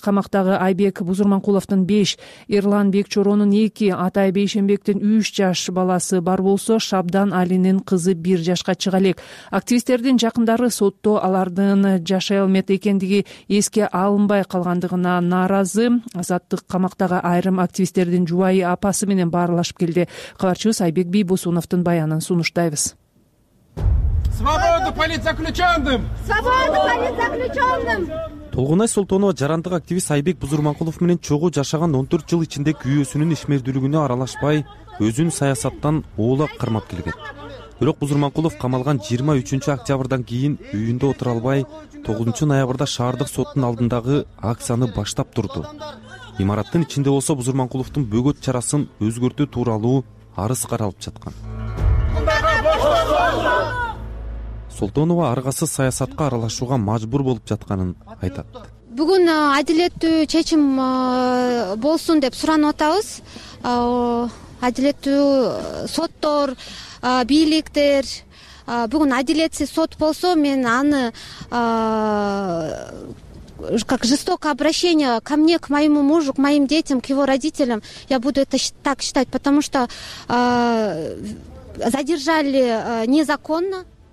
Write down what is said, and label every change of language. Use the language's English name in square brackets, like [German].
[Kyrgyz] Камактагы Айбек Бузурманкуловдун 5, Ирлан Бекчоронун 2, Атай Бейшенбектин 3 жаш баласы бар болсо, Шабдан Алинин кызы 1 жашка чыга элек. Активисттердин жакындары сотто алардын жашай алмак экендиги эске алынбай калгандыгына нааразы. Азаттык камактагы айрым активисттердин жубайы апасы менен баарлашып келди. Кабарчыбыз Айбек Бийбосуновдун баянын сунуштайбыз. [Russian] Свободу политзаключенным! Свободу политзаключенным! [Kyrgyz] Толгунай Султонова жарандык активист Айбек Бузурманкулов менен чогуу жашаган 14 жыл ичинде күйөөсүнүн ишмердүүлүгүнө аралашпай, өзүн саясаттан оолак кармап келген. Бирок Бузурманкулов камалган 23 октябрдан кийин үйүндө отура албай, 9 ноябрда шаардык соттун алдындагы акцияны баштап турду. Имараттын ичинде болсо Бузурманкуловдун бөгөт чарасын өзгөртүү тууралуу арыз каралып жаткан. Султонова аргасыз саясатка аралашууга мажбур болуп жатканын айтат. Бүгүн адилеттүү чечим болсун деп суранып атабыз. Адилеттүү соттор, бийликтер, бүгүн адилетсиз сот болсо, мен аны [Russian] как жестокое обращение ко мне, к моему мужу, к моим детям, к его родителям. Я буду это так считать, потому что задержали незаконно.